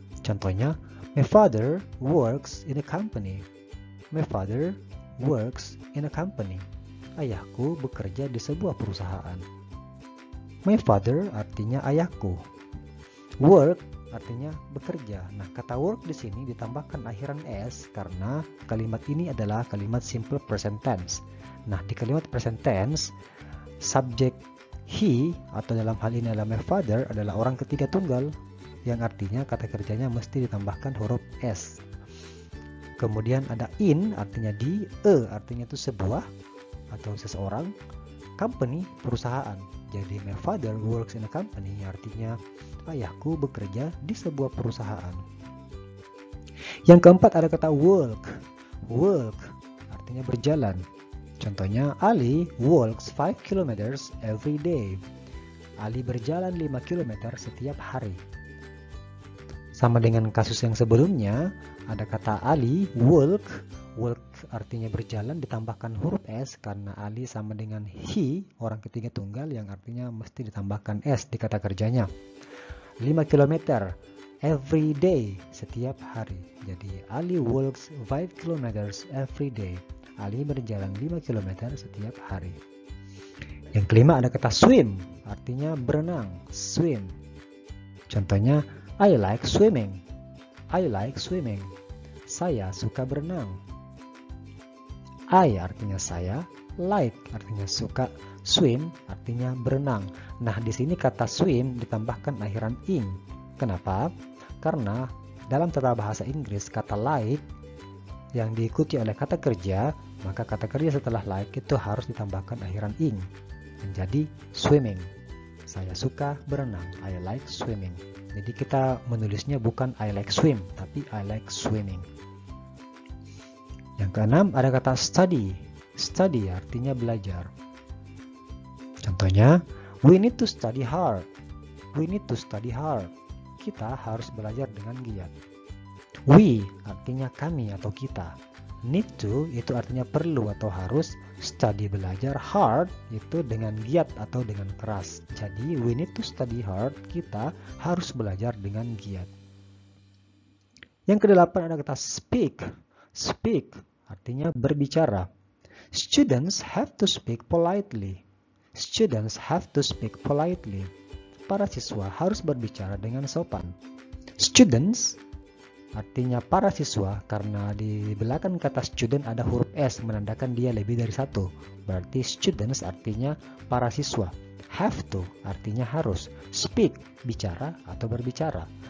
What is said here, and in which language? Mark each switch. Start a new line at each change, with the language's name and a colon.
Indonesian: Contohnya,
English: my father works in a company. My father works in a company.
Indonesian: Ayahku bekerja di sebuah perusahaan.
English: My father
Indonesian: artinya ayahku. Work artinya bekerja. Nah, kata work di sini ditambahkan akhiran s karena kalimat ini adalah kalimat simple present tense. Nah, di kalimat present tense, subjek he atau dalam hal ini adalah
English: my father
Indonesian: adalah orang ketiga tunggal, yang artinya kata kerjanya mesti ditambahkan huruf S. Kemudian ada in artinya di, a artinya itu sebuah atau seseorang, company perusahaan. Jadi
English: my father works in a company
Indonesian: artinya ayahku bekerja di sebuah perusahaan. Yang keempat ada kata walk. Walk artinya berjalan. Contohnya,
English: Ali walks 5 km every day.
Indonesian: Ali berjalan 5 km setiap hari. Sama dengan kasus yang sebelumnya, ada kata Ali, walk. Walk artinya berjalan, ditambahkan huruf S karena Ali sama dengan he, orang ketiga tunggal yang artinya mesti ditambahkan S di kata kerjanya.
English: 5 km every day,
Indonesian: setiap hari. Jadi,
English: Ali walks 5 km every day.
Indonesian: Ali berjalan 5 km setiap hari. Yang kelima ada kata swim, artinya berenang, swim. Contohnya,
English: I like swimming. I like swimming.
Indonesian: Saya suka berenang. I artinya saya, like artinya suka, swim artinya berenang. Nah, di sini kata swim ditambahkan akhiran ing. Kenapa? Karena dalam tata bahasa Inggris kata like yang diikuti oleh kata kerja, maka kata kerja setelah like itu harus ditambahkan akhiran ing. Menjadi swimming. Saya suka berenang.
English: I like swimming.
Indonesian: Jadi kita menulisnya bukan
English: I like swim,
Indonesian: tapi
English: I like swimming.
Indonesian: Yang keenam ada kata study. Study artinya belajar. Contohnya,
English: we need to study hard. We need to study hard.
Indonesian: Kita harus belajar dengan giat. We artinya kami atau kita. Need to itu artinya perlu atau harus. Study belajar, hard itu dengan giat atau dengan keras. Jadi
English: we need to study hard,
Indonesian: kita harus belajar dengan giat. Yang kedelapan ada kata speak. Speak artinya berbicara.
English: Students have to speak politely. Students have to speak politely.
Indonesian: Para siswa harus berbicara dengan sopan. Students artinya para siswa karena di belakang kata student ada huruf S menandakan dia lebih dari satu. Berarti students artinya para siswa. Have to artinya harus. Speak bicara atau berbicara.